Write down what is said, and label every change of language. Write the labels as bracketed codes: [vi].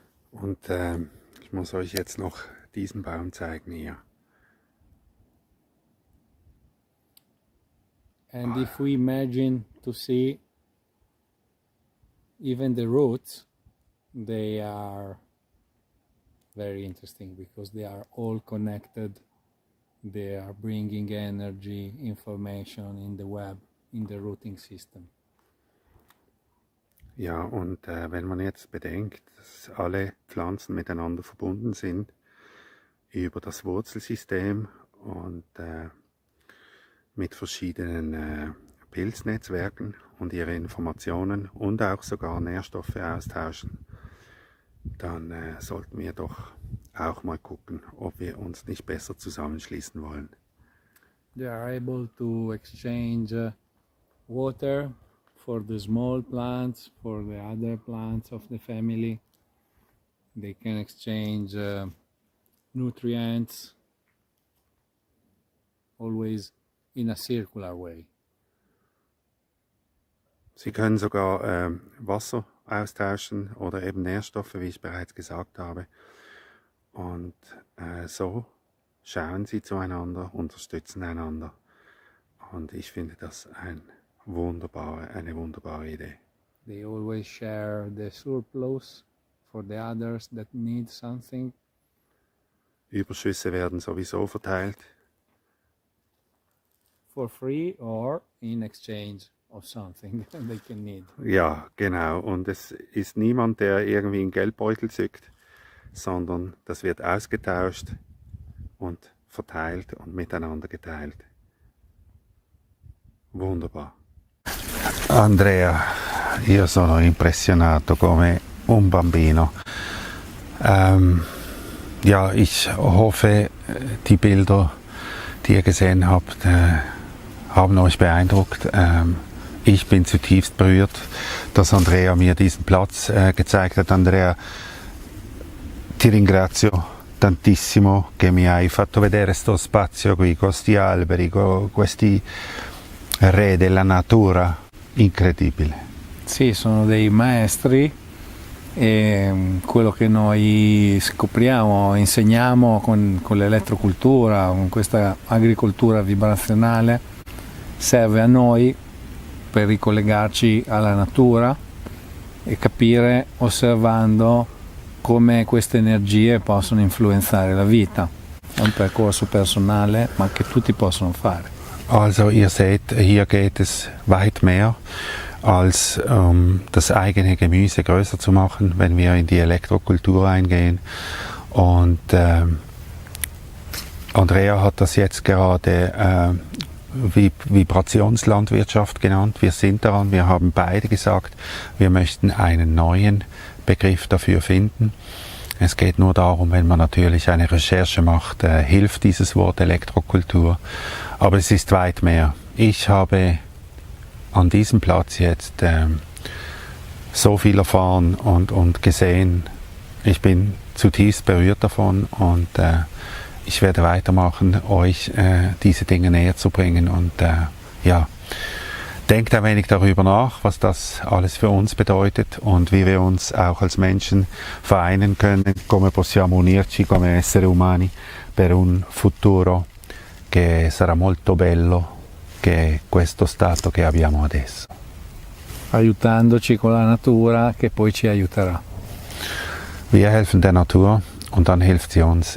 [de] Und ich muss euch jetzt noch diesen Baum zeigen hier. [en] And if we imagine to see even the roots, they are very interesting because they are all connected. They are bringing energy, information in the web, in the rooting system. [de] Ja, und wenn man jetzt bedenkt, dass alle Pflanzen miteinander verbunden sind über das Wurzelsystem und mit verschiedenen Pilznetzwerken und ihre Informationen und auch sogar Nährstoffe austauschen, dann sollten wir doch auch mal gucken, ob wir uns nicht besser zusammenschließen wollen. [en] They are able to exchange water for the small plants, for the other plants of the family. They can exchange nutrients always in a circular way. [de] Sie können sogar Wasser austauschen oder eben Nährstoffe, wie ich bereits gesagt habe. Und so schauen sie zueinander, unterstützen einander. Und ich finde das eine wunderbare Idee. [en] They always share the surplus for the others that need something. [de] Überschüsse werden sowieso verteilt. [en] For free or in exchange of something they can need. [de] Ja, genau. Und es ist niemand, der irgendwie einen Geldbeutel zückt, sondern das wird ausgetauscht und verteilt und miteinander geteilt. [it] Wunderbar. Andrea, io sono impressionato come un bambino. [de] Ja, ich hoffe, die Bilder, die ihr gesehen habt, haben euch beeindruckt. Ich bin zutiefst berührt, dass Andrea mir diesen Platz gezeigt hat. [it] Andrea, ti ringrazio tantissimo che mi hai fatto vedere sto spazio qui, questi alberi, questi re della natura. Incredibile. Sì, sono dei maestri e quello che noi scopriamo, insegniamo con l'elettrocultura, con questa agricoltura vibrazionale, serve a noi per ricollegarci alla natura e capire osservando come queste energie possono influenzare la vita. È un percorso personale, ma che tutti possono fare. [de] Also ihr seht, hier geht es weit mehr als das eigene Gemüse größer zu machen, wenn wir in die Elektrokultur eingehen. Und Andrea hat das jetzt gerade Vibrationslandwirtschaft genannt. Wir sind daran, wir haben beide gesagt, wir möchten einen neuen Begriff dafür finden. Es geht nur darum, wenn man natürlich eine Recherche macht, hilft dieses Wort Elektrokultur. Aber es ist weit mehr. Ich habe an diesem Platz jetzt so viel erfahren und gesehen. Ich bin zutiefst berührt davon und ich werde weitermachen, euch diese Dinge näher zu bringen. Und ja, denkt ein wenig darüber nach, was das alles für uns bedeutet und wie wir uns auch als Menschen vereinen können. [it] Come possiamo unirci come esseri umani per un futuro che sarà molto bello che questo stato che abbiamo adesso. Aiutandoci con la natura che poi ci aiuterà. [de] Wir helfen der Natur und dann hilft sie uns.